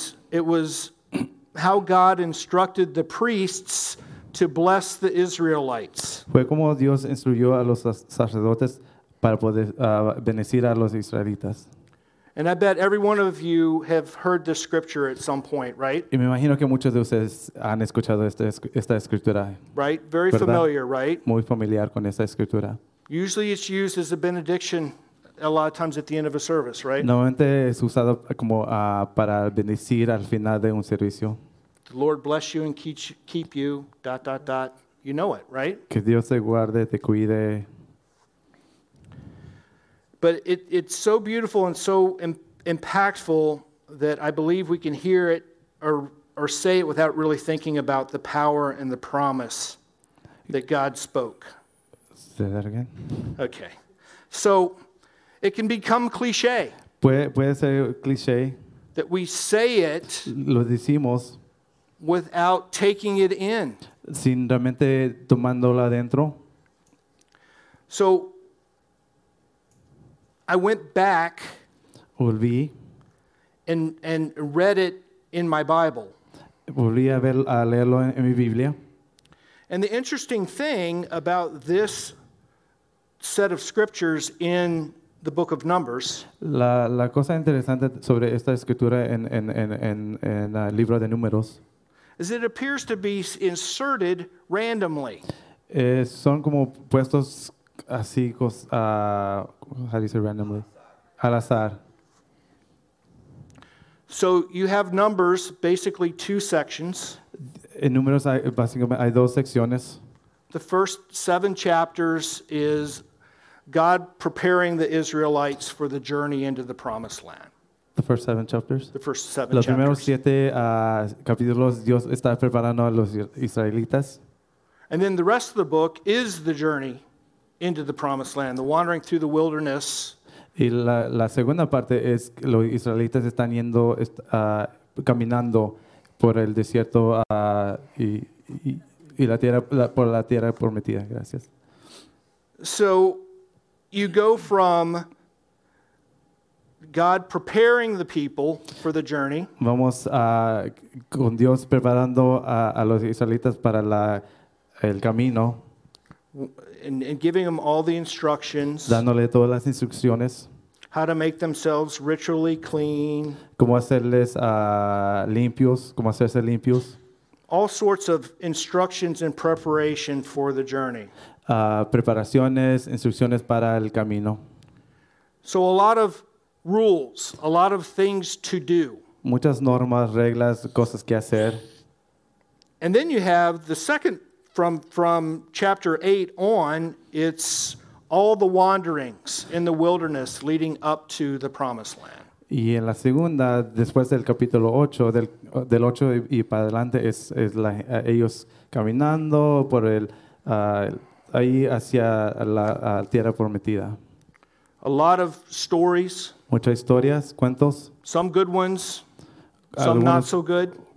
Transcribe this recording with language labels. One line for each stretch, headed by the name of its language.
English: It was how God instructed the priests to bless the Israelites.
Spanish: Fue como Dios instruyó a los sacerdotes para poder bendecir a los israelitas.
English: And I bet every one of you have heard this scripture at some point, right?
Spanish: Y me imagino que muchos de ustedes han escuchado esta escritura.
English: Right? Very
Spanish: ¿verdad?
English: Familiar, right?
Spanish: Muy familiar con esta escritura.
English: Usually it's used as a benediction a lot of times at the end of a service, right?
Spanish: Normalmente es usado como para bendecir al final de un servicio.
English: The Lord bless you and keep you, dot, dot, dot. You know it, right?
Spanish: Que Dios te guarde, te cuide.
English: But it's so beautiful and so impactful that I believe we can hear it or say it without really thinking about the power and the promise that God spoke. Say that again. Okay. So it can become cliche.
Spanish: Puede ser cliche.
English: That we say it.
Spanish: Lo decimos.
English: Without taking it in.
Spanish: Sin realmente tomándola adentro.
English: So I went back
Spanish: volví
English: and read it in my Bible.
Spanish: Volví a leerlo en mi Biblia.
English: And the interesting thing about this set of scriptures in the book of Numbers.
Spanish: La cosa interesante sobre esta escritura en el libro de Números.
English: Is it appears to be inserted randomly.
Spanish: Son como puestos así,
English: how do you say randomly?
Spanish: Al azar.
English: So you have Numbers, basically two sections.
Spanish: En Números básicamente hay dos secciones.
English: The first seven chapters is God preparing the Israelites for the journey into the Promised Land. The first seven chapters. The first seven
Spanish: chapters. Los primeros siete capítulos Dios está preparando a los israelitas.
English: And then the rest of the book is the journey into the Promised Land, the wandering through the wilderness.
Spanish: Y la segunda parte es los israelitas están yendo caminando por el desierto y la tierra por la tierra prometida. Gracias.
English: So you go from God preparing the people for the journey.
Spanish: Vamos con Dios preparando a los israelitas para el camino.
English: And giving them all the instructions.
Spanish: Dándole todas las instrucciones.
English: How to make themselves ritually clean.
Spanish: Cómo hacerles limpios. Cómo hacerse limpios.
English: All sorts of instructions in preparation for the journey.
Spanish: Preparaciones, instrucciones para el camino.
English: So a lot of rules, a lot of things to do.
Spanish: Muchas normas, reglas, cosas que hacer.
English: And then you have the second from chapter 8 on, it's all the wanderings in the wilderness leading up to the Promised Land.
Spanish: Y en la segunda, después del capítulo 8, del 8 y para adelante, es ellos caminando por el ahí hacia la tierra prometida.
English: A lot of stories.
Spanish: Muchas historias, cuentos.
English: Some good ones, some not so good.